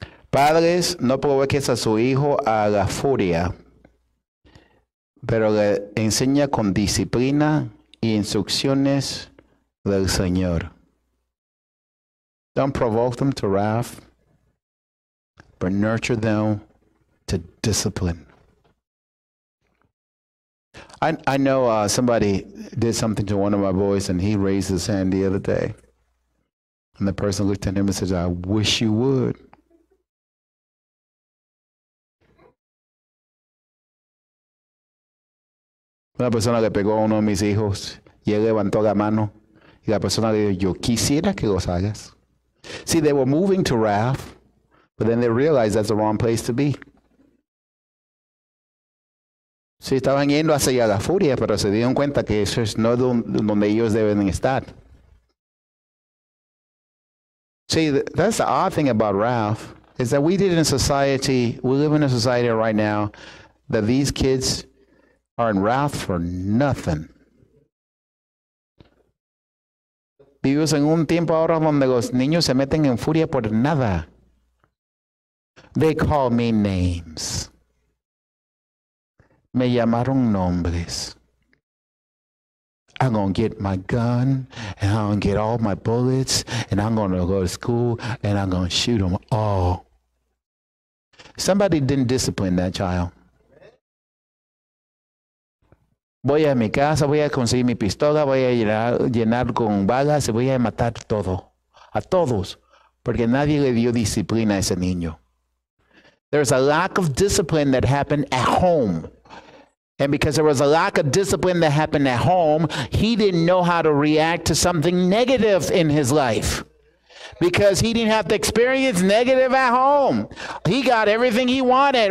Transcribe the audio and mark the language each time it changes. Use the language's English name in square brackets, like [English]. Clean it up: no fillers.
[Spanish] Padres, no provoques a su hijo a la furia, pero le enseña con disciplina y instrucciones del Señor. [English] Don't provoke them to wrath, but nurture them to discipline. I know somebody did something to one of my boys, and he raised his hand the other day. And the person looked at him and said, I wish you would. [Spanish] Una persona le pegó a uno de mis hijos, y él levantó la mano, y la persona le dijo, yo quisiera que los hagas. [English] See, they were moving to wrath, but then they realized that's the wrong place to be. [Spanish] Sí, estaban yendo hacia la furia, pero se dieron cuenta que eso es no donde ellos deben estar. [English] See, that's the odd thing about wrath, is that we live in a society right now that these kids are in wrath for nothing. [Spanish] Vivimos en un tiempo ahora donde los niños se meten en furia por nada. [English] They call me names. [Spanish] Me llamaron nombres. [English] I'm going to get my gun, and I'm going to get all my bullets, and I'm going to go to school, and I'm going to shoot them all. Somebody didn't discipline that child. [Spanish] Voy a mi casa, voy a conseguir mi pistola, voy a llenar con balas, voy a matar todo, a todos, porque nadie le dio disciplina a ese niño. [English] There's a lack of discipline that happened at home. And because there was a lack of discipline that happened at home, he didn't know how to react to something negative in his life. Because he didn't have to experience negative at home. He got everything he wanted.